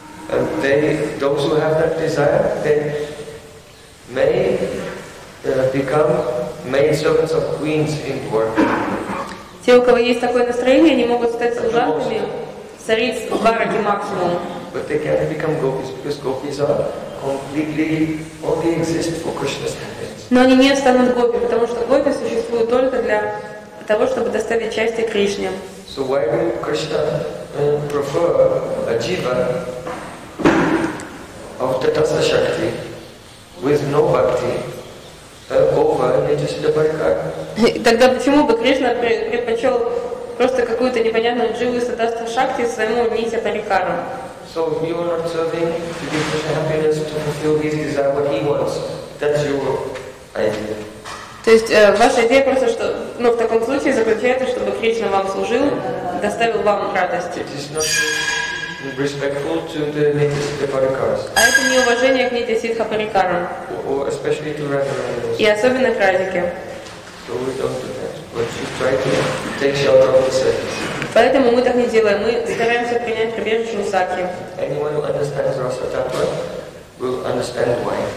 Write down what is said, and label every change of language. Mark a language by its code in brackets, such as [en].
[en] And they, those who have that desire, they may become maid servants of queens in Dwarka. [ru] Те, у кого есть такое настроение, они могут стать служанками цариц в Двараке максимум. [en] But they can't become gopis because gopis are completely only exist for Krishna's happiness. [ru] Но они не станут гопи, потому что гопи существуют только для того, чтобы доставить счастье Кришне. [en] So why would Krishna prefer a jiva of tatasa shakti with no bhakti over nityasiddha parikar? [ru] Тогда почему бы Кришна предпочел просто какую-то непонятную дживу из татасы шакти своему нитя парикару? [en] So you are not serving to give Krishna happiness to fulfill his desire what he wants. That's your idea. [ru] То есть ваша идея просто, что, ну, в таком случае заключается, чтобы Кришна вам служил, доставил вам радость. [en] It is not respectful to the Nityasiddha Parikaras. [ru] А это не уважение к Нитясидха Парикарам. [en] Or especially to Radhika. [ru] И особенно к Радике. [en] So we don't do that. But you try to take shelter of the sakis. [ru] Поэтому мы так не делаем. Мы стараемся принять прибежище у саки. [en] Anyone who understands Rasa Tattva will understand why.